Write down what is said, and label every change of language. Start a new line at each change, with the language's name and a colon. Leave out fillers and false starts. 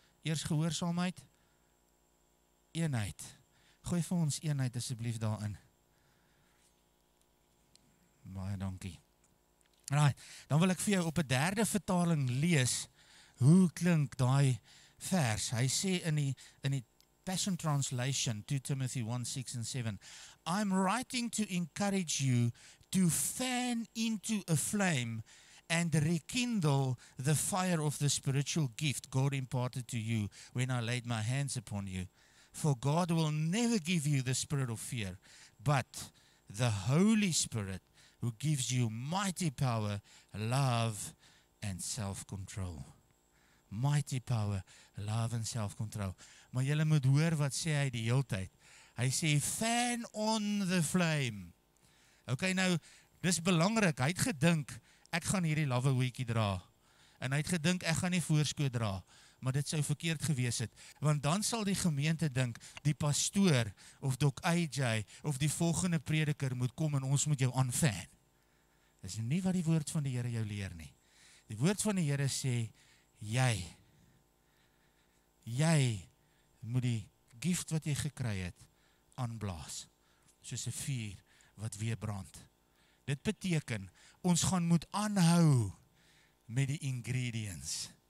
Afrikaans: Eers gehoorsaamheid, eenheid. Gooi vir ons eenheid asseblief daarin. Baie dankie. Right, dan wil ek vir jou op 'n derde vertaling lees, hoe klink daai vers?
English: Hy sê in die Passion Translation, 2 Timothy 1, 6 and 7, I'm writing to encourage you to fan into a flame and rekindle the fire of the spiritual gift God imparted to you when I laid my hands upon you. For God will never give you the spirit of fear, but the Holy Spirit, who gives you mighty power, love and self-control. Mighty power, love and self-control.
Afrikaans: Maar jylle moet hoor wat sê hy die heel tyd. Hy sê,
English: fan on the flame.
Afrikaans: Ok, nou, dis belangrik. Hy het gedink, ek gaan hierdie love weekie dra. En hy het gedink, ek gaan die voorskoot dra. Maar dit sou verkeerd gewees het. Want dan sal die gemeente dink, die pastoor, of Doc AJ, of die volgende prediker moet kom en ons moet jou aanfan. Dis nie wat die woord van die Here jou leer nie. Die woord van die Here sê, jy moet die gift wat jy gekry het, aanblaas. Soos 'n vuur wat weer brand. Dit beteken, ons gaan moet aanhou met die ingredients.